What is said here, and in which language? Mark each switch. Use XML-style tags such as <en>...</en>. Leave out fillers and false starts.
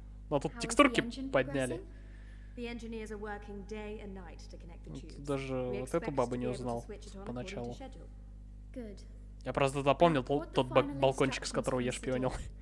<ru>Но тут текстурки подняли.</ru> <en>The engineers are working day and night to connect the tubes.</en> <ru>Даже вот эту бабу не узнал поначалу. Я просто запомнил тот балкончик, с которого я шпионил.</ru>